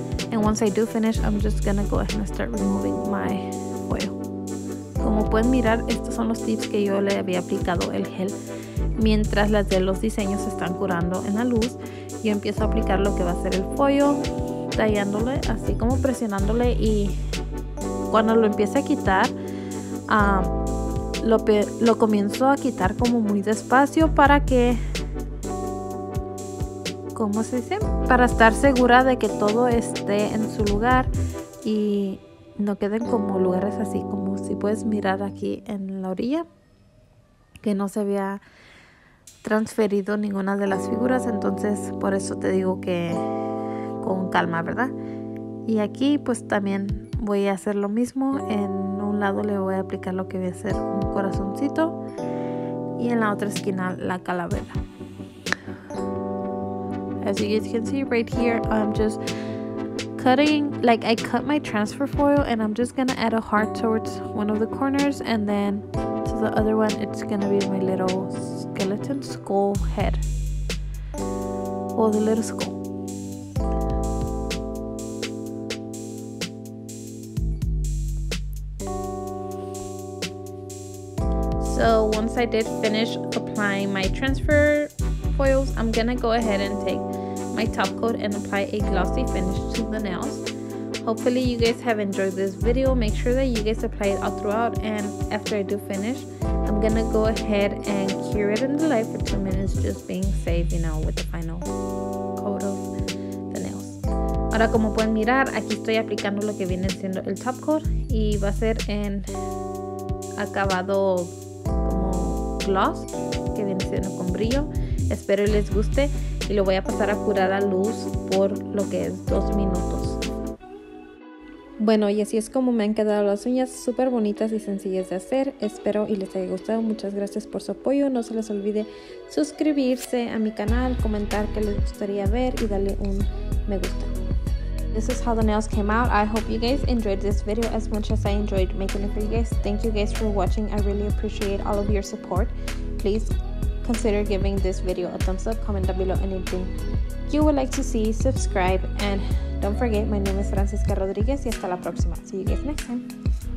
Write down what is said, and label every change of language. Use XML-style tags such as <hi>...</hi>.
<en>And once I do finish, I'm just gonna go ahead and start removing my foil.</en> <es>Como pueden mirar, estos son los tips que yo le había aplicado el gel. Mientras las de los diseños están curando en la luz, yo empiezo a aplicar lo que va a ser el foil, tallándole, así como presionándole. Y cuando lo empiece a quitar, lo comienzo a quitar como muy despacio para que, ¿cómo se dice? Para estar segura de que todo esté en su lugar y no queden como lugares así, como si puedes mirar aquí en la orilla, que no se había transferido ninguna de las figuras. Entonces, por eso te digo que con calma, ¿verdad? Y aquí, pues también voy a hacer lo mismo. En un lado le voy a aplicar lo que voy a hacer, un corazoncito, y en la otra esquina la calavera.</es> <en>As you guys can see right here, I'm just cutting, like I cut my transfer foil, and I'm just gonna add a heart towards one of the corners, and then to the other one it's gonna be my little skeleton skull head, or the little skull. So once I did finish applying my transfer foils, I'm gonna go ahead and take my top coat and apply a glossy finish to the nails. Hopefully you guys have enjoyed this video. Make sure that you guys apply it all throughout, and after I do finish, I'm gonna go ahead and cure it in the light for 2 minutes, just being safe, you know, with the final coat of the nails.</en> <es>Ahora, como pueden mirar, aquí estoy aplicando lo que viene siendo el top coat, y va a ser en acabado como gloss, que viene siendo con brillo. Espero les guste. Y lo voy a pasar a curar a luz por lo que es 2 minutos. Bueno, y así es como me han quedado las uñas, súper bonitas y sencillas de hacer. Espero y les haya gustado. Muchas gracias por su apoyo. No se les olvide suscribirse a mi canal, comentar qué les gustaría ver y darle un me gusta.</es> <en>This is how the nails came out. I hope you guys enjoyed this video as much as I enjoyed making it for you guys. Thank you guys for watching. I really appreciate all of your support. Please consider giving this video a thumbs up, comment down below anything you would like to see, subscribe, and don't forget, my name is Francisca Rodriguez,</en> <es>y hasta la próxima.</es> <en>See you guys next time.</en>